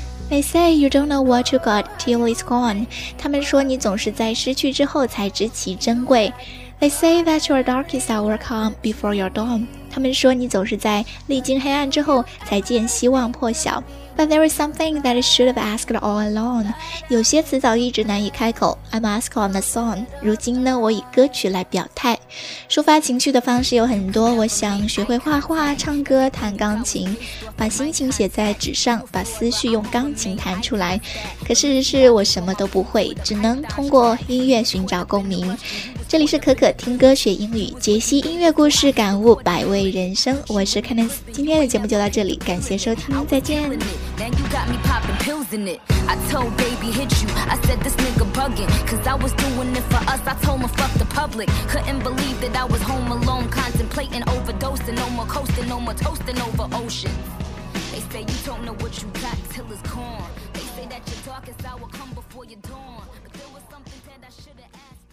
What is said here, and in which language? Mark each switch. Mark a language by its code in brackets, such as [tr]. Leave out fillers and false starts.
[en] They say you don't know what you got till it's gone. [zh] 他们说你总是在失去之后才知其珍贵。 [en] They say that your darkest hour come before your dawn. [zh] 他们说你总是在历经黑暗之后才见希望破晓。 [en] But there is something that I should have asked all along. [zh] 有些词早一直难以开口。 [en] I'm asking on the song. [zh] 如今呢，我以歌曲来表态。抒发情绪的方式有很多，我想学会画画、唱歌、弹钢琴，把心情写在纸上，把思绪用钢琴弹出来。可事实是我什么都不会，只能通过音乐寻找共鸣。这里是可可听歌学英语，解析音乐故事，感悟百味人生。我是 Candice， 今天的节目就到这里，感谢收听，再见。 [en] Now you got me popping pills in it. I told baby hit you. I said this nigga bugging, 'cause I was doing it for us. I told him fuck the public. Couldn't believe that I was home alone, contemplating overdosing. No more coasting, no more toasting over ocean. They say you don't know what you got till it's gone. They say that your darkest hour come before your dawn. But there was something that I should've asked.